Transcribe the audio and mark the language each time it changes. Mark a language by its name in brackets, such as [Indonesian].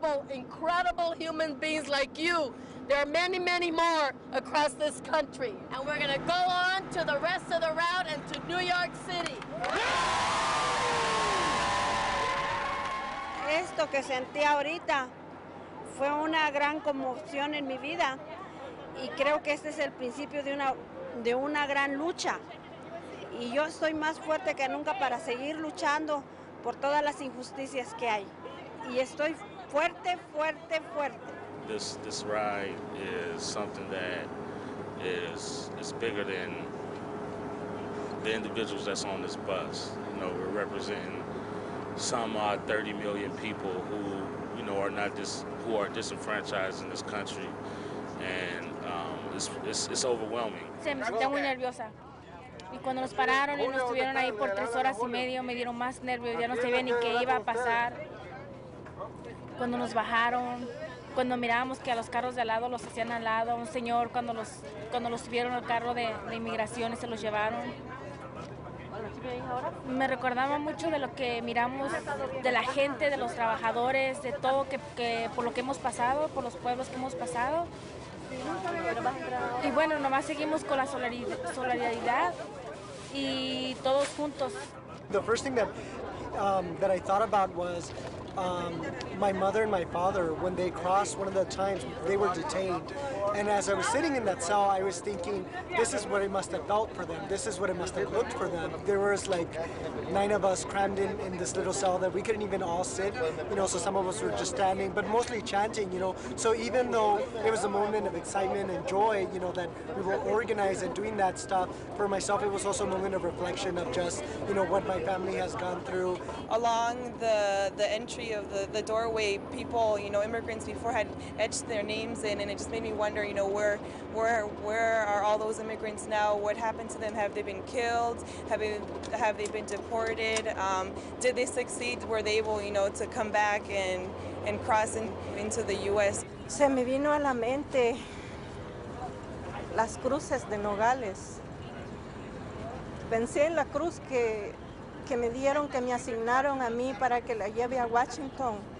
[English] Incredible human beings like you. There are many, many more across this country. And we're going to go on to the rest of the route and to New York City. [Spanish] Esto que sentí ahorita fue una gran conmoción en mi vida. Y creo que este es el principio de una gran lucha. Y yo estoy más fuerte que nunca para seguir luchando por todas las injusticias que hay. Y estoy fuerte, fuerte, fuerte. [English] This ride is something that is bigger than the individuals that's on this bus. You know, we're representing some 30 million people who, you know, are disenfranchised in this country, and it's overwhelming. [Spanish] Estoy muy nerviosa. Y cuando nos pararon y nos tuvieron ahí por 3 horas y media, me dieron más nervios. Ya no sabía ni qué iba a pasar. Cuando nos bajaron, cuando mirábamos que a los carros de al lado los hacían al lado, un señor cuando los subieron al carro de inmigración y se los llevaron. Me recordaba mucho de lo que miramos de la gente, de los trabajadores, de todo que por lo que hemos pasado, por los pueblos que hemos pasado. Y bueno, nomás seguimos con la solidaridad y todos juntos. [English] The first thing that I thought about was my mother and my father, when they crossed one of the times, they were detained. And as I was sitting in that cell, I was thinking, this is what it must have felt for them. This is what it must have looked for them. There was like 9 of us crammed in this little cell that we couldn't even all sit. You know, so some of us were just standing, but mostly chanting, you know. So even though it was a moment of excitement and joy, you know, that we were organized and doing that stuff, for myself, it was also a moment of reflection of just, you know, what my family has gone through. Along the entry of the doorway, people, you know, immigrants before had etched their names in, and it just made me wonder, you know, where are all those immigrants now? What happened to them? Have they been killed? Have they been deported? Did they succeed? Were they able, you know, to come back and cross into the U.S.? [Spanish] Se me vino a la mente las cruces de Nogales. Pensé en la cruz que me dieron, que me asignaron a mí para que la lleve a Washington.